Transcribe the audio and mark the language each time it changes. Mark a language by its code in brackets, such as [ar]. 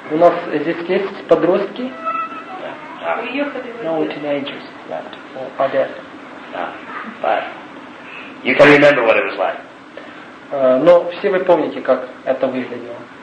[ru] У нас здесь есть подростки? [en] No teenagers left. Are there? No. But you can remember what it was like. [ru] Но все вы помните, как это выглядело.